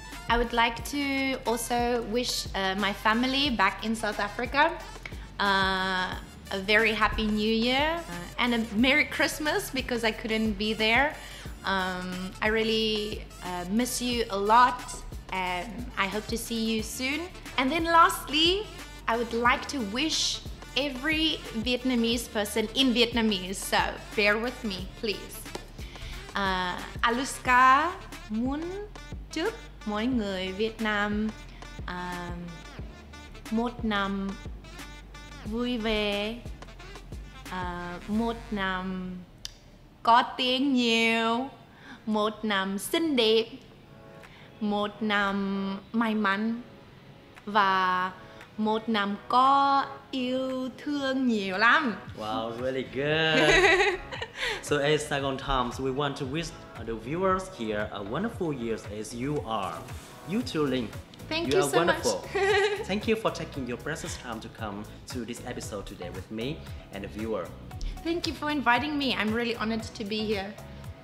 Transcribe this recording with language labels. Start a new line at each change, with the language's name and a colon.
English: I would like to also wish my family back in South Africa a very happy new year and a Merry Christmas, because I couldn't be there. I really miss you a lot, and I hope to see you soon. And then lastly, I would like to wish every Vietnamese person in Vietnamese, so bear with me, please.
Vietnamese: Alushka muốn chúc mọi người Việt Nam một năm vui vẻ, một năm có tiếng nhiều, một năm xinh đẹp, một năm may mắn và một năm có yêu thương nhiều lắm.
English: Wow, really good. So as Saigon Times, we want to wish the viewers here a wonderful year as you are. You too, Linh. Thank you so much. You are wonderful. Thank you for taking your precious time to come to this episode today with me and the viewer. Thank you for inviting me. I'm really honored to be here.